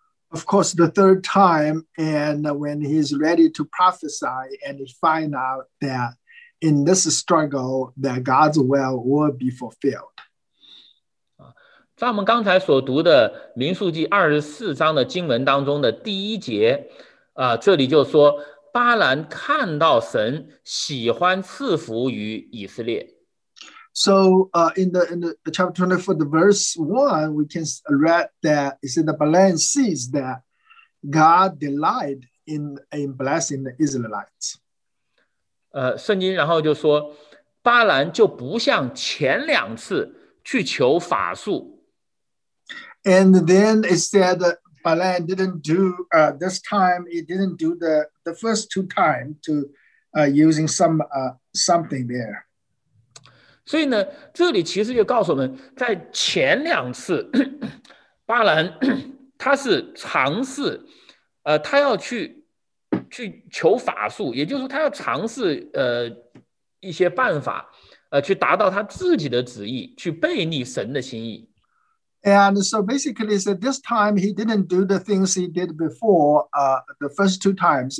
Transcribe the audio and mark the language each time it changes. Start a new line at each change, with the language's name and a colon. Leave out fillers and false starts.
English: Of course, the third time, and when he's ready to prophesy, and find out that in this struggle, that God's will be fulfilled.
Chinese: 在我们刚才所读的《民数记》二十四章的经文当中的第一节，这里就说巴兰看到神喜欢赐福于以色列。
English: So, in the chapter 24, the verse 1, we can read that it says that Balaam sees that God delighted in blessing the Israelites.
Chinese: 圣经然后就说巴兰就不像前两次去求法术。
English: And then it said that Balaam didn't do, this time he didn't do the first two times to using something there.
Chinese: 所以呢，这里其实就告诉我们，在前两次，巴兰他是尝试，他要去求法术，也就是说他要尝试一些办法，去达到他自己的旨意，去背逆神的心意。
English: And so basically, so this time he didn't do the things he did before, the first two times.